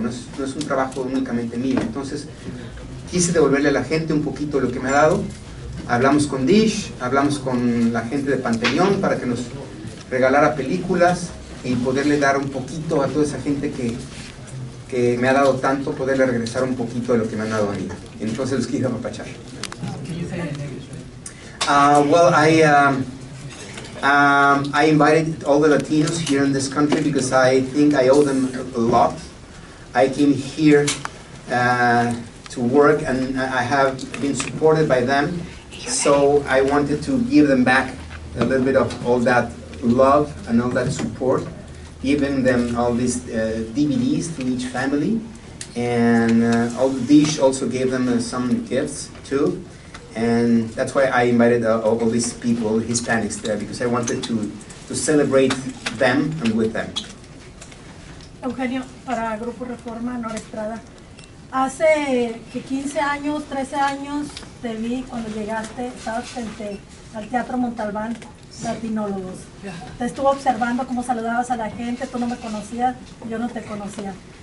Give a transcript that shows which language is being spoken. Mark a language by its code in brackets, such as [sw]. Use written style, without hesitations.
[es] No es un trabajo únicamente mío. Entonces quise devolverle a la gente un poquito lo que me ha dado. Hablamos con Dish, hablamos con la gente de Panteón para que nos regalara películas y poderle dar un poquito a toda esa gente que me ha dado tanto, poderle regresar un poquito de lo que me han dado a mí. Entonces los quise apapachar. ¿Qué dice en inglés? [en] I invited all the Latinos here in this country because I think I owe them a lot. I came here to work, and I have been supported by them. So I wanted to give them back a little bit of all that love and all that support, giving them all these DVDs to each family. And Dish also gave them some gifts too. And that's why I invited all these people, Hispanics, there, because I wanted to celebrate them and with them. [es] Eugenio, para Grupo Reforma, Nora Estrada. Hace que 15 años, 13 años, te vi cuando llegaste, estabas frente al Teatro Montalbán, latinólogos. Te estuve observando cómo saludabas a la gente, tú no me conocías, yo no te conocía.